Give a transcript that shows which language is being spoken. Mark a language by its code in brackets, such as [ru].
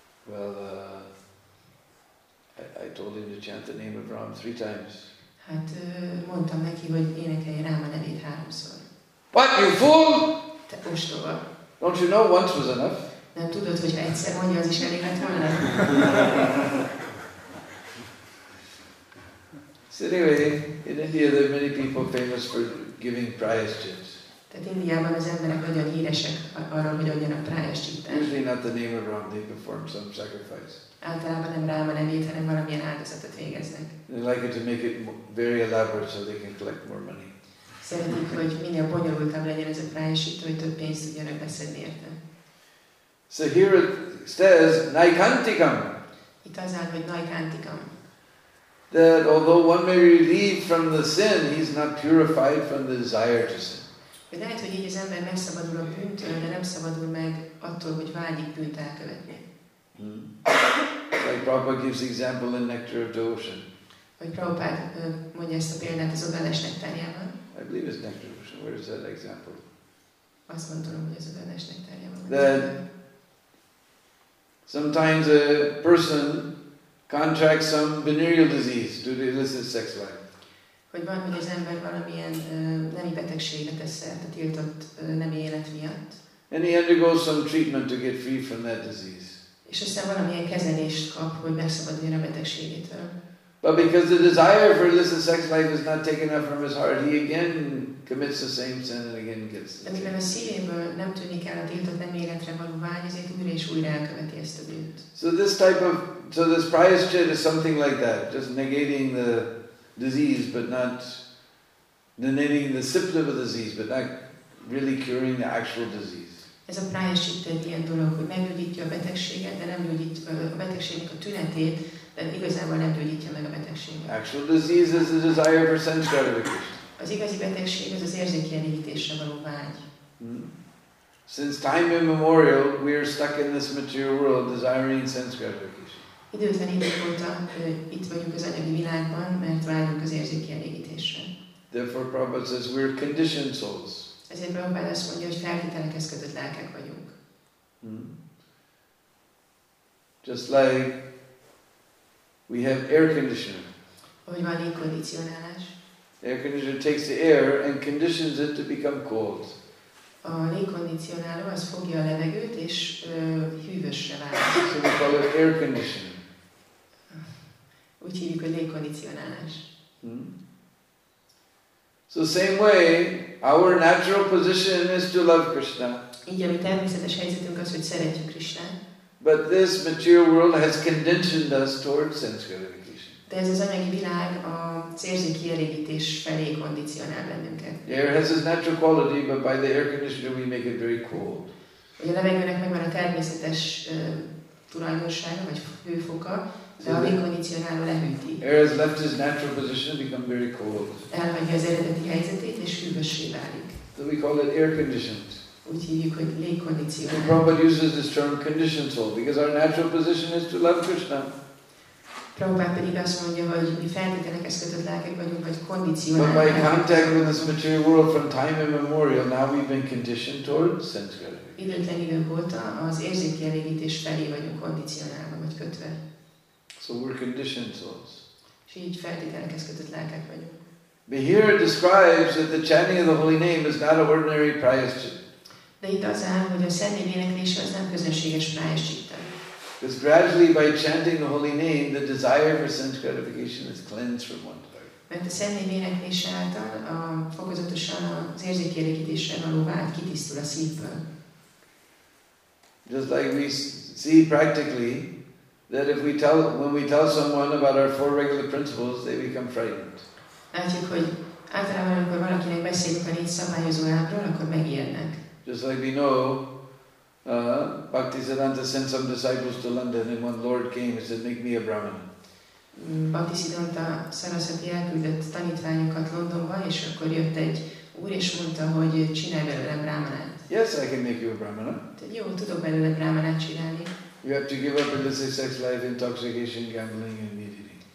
[en] Well, I told him to chant the name of Ram three times. [hu] Hát mondtam neki, hogy énekelje Ráma nevét háromszor. [en] What, you fool? [hu] Te ostoba. [en] Don't you know once was enough? [hu] Nem tudod, hogy ha egyszer mondja, az is elég lett volna? [en] So anyway, in India there are many people famous for giving prayaschits. [hu] Tehát Indiában az emberek nagyon híresek arról, hogy adjanak prayaschitát. [en] Usually not the name of Ram, they perform some sacrifice. [hu] Általában nem Ráma nevét, hanem valamilyen áldozatot végeznek. [en] They like it to make it very elaborate so they can collect more money. [hu] Szeretik, hogy minél bonyolultabb legyen ez a prayaschit, hogy több pénzt tudjanak beszedni érte. [en] So here it says, Naikantikam. [hu] Itt az áll, hogy Naikantikam. [en] That although one may be relieved from the sin, he's not purified from the desire to sin. [hu] Lehet, hogy így az ember megszabadul a bűntől, de nem szabadul meg attól, hogy vágyik bűnt elkövetni. [en] Like Prabhupada gives example in Nectar of Devotion. [hu] Vagy Prabhupada mondja ezt a példát az Odales Nektárjában. [en] I believe it's Nectar of Devotion. Where is that example? [hu] Azt mondom, hogy az Odales Nektárjában. [en] That sometimes a person contracts some venereal disease due to illicit sex life. [hu] Hogy van, hogy az ember valamilyen nemi betegségre tesz szert, a tiltott nemi élet miatt. [en] And he undergoes some treatment to get free from that disease. [hu] És aztán valamilyen kezelést kap, hogy megszabaduljon a betegségétől. [en] But because the desire for illicit sex life is not taken up from his heart, he again commits the same sin and again gets the same. [hu] A szívéből nem tűnik el a tiltott nemi életre való vágy, ezért újra és újra elköveti ezt a bűnt. [en] So this prayaschit is something like that, just negating the disease, but not negating the symptom of the disease, but not really curing the actual disease. [hu] Ez a prayaschit egy ilyen dolog, hogy meggyógyítja a betegséget, de nem gyógyítja a betegségnek a tünetét, de igazából nem gyógyítja meg a betegséget. [en] Actual disease is the desire for sense gratification. [hu] Az igazi betegség az érzékelégítésre való vágy. [en] Since time immemorial, we are stuck in this material world desiring sense gratification. [hu] Időtlen idők óta itt vagyunk az anyagi világban, mert vágyunk az érzékkielégítésre. [en] Therefore, Prabhupada says we're conditioned souls. [hu] Ezért Prabhupada azt mondja, hogy feltételekhez kötött lelkek vagyunk. [en] Just like we have air conditioner. [hu] Ahogy van légkondicionálás. [en] Air conditioner takes the air and conditions it to become cold. [hu] A légkondicionáló az fogja a levegőt és hűvösre vált. [en] So we call it air conditioner. [hu] Úgy hívjuk, hogy légkondicionálás. [en] So same way, our natural position is to love Krishna. [hu] Így a mi természetes helyzetünk az, hogy szeretjük Krishnát. [en] But this material world has conditioned us towards sense gratification. [hu] De ez az anyagi világ a érzékkielégítés felé kondicionál bennünket. [en] The air has its natural quality, but by the air conditioner we make it very cold. [hu] A levegőnek megvan a természetes tulajdonsága, vagy hőfoka, de a légkondicionáló lehűti. [en] Air has left its natural position and become very cold. [hu] Elhagyja az eredeti helyzetét, és hűvössé válik. [en] So we call it air conditioned. [hu] Úgy hívjuk, hogy légkondicionáló. [en] So Prabhupada uses this term conditioned soul, because our natural position is to love Krishna. [hu] Prabhupada pedig azt mondja, hogy mi feltételekhez kötött lelkek vagyunk, vagy kondicionáló. [en] But by contact with this material world from time immemorial, now we've been conditioned toward sense gratification. [hu] Időtlen idők óta az érzékkielégítés felé vagyunk kondicionálva, vagy kötve. [en] So we're conditioned souls. [hu] És így feltételekhez kötött lelkek vagyunk. [en] But here it describes that the chanting of the holy name is not an ordinary prayaschit. [hu] De itt az áll, hogy a szentnév éneklése az nem közönséges prayaschita. [en] Because gradually by chanting the holy name, the desire for sense gratification is cleansed from one's heart. [hu] Mert a személy méretése által fokozatosan az érzékielégítéssel való vált kitisztul a szívből. [en] Just like we see practically that if we tell, when we tell someone about our four regular principles, they become frightened. [hu] Látjuk, hogy általában, amikor valakinek beszélünk a négy szabályozó elvről, akkor megijednek. [en] Just like we know, Bhaktisiddhanta sent some disciples to London, and when Lord came, he said, "Make me a Brahmin." [hu] Bhaktisiddhanta Sarasvati elküldött tanítványokat Londonba, és akkor jött egy úr, és mondta, hogy csinálj belőle brahmanát. [en] Yes, I can make you a brahmana. [hu] Jó, tudok belőle brahmanát csinálni. [en] You have to give up illicit sex life, intoxication, gambling, and meat eating.